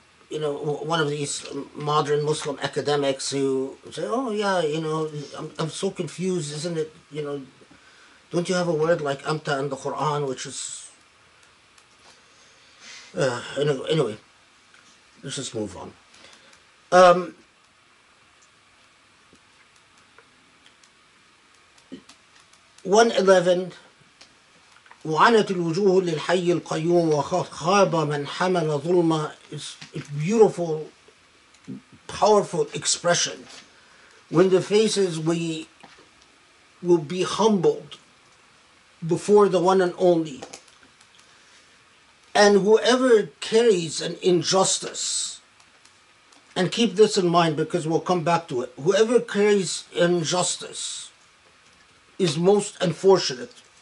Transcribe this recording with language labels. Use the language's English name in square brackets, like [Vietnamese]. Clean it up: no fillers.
[English] you know, one of these modern Muslim academics who say, oh yeah, you know, I'm so confused, isn't it, you know, don't you have a word like amta in the Quran, which is, anyway, let's just move on. [Arabic] وعنت الوجوه للحي القيوم وخاب من حمل ظلمة. [English] It's a beautiful, powerful expression. When the faces will be humbled before the one and only. And whoever carries an injustice, and keep this in mind because we'll come back to it, whoever carries injustice is most unfortunate.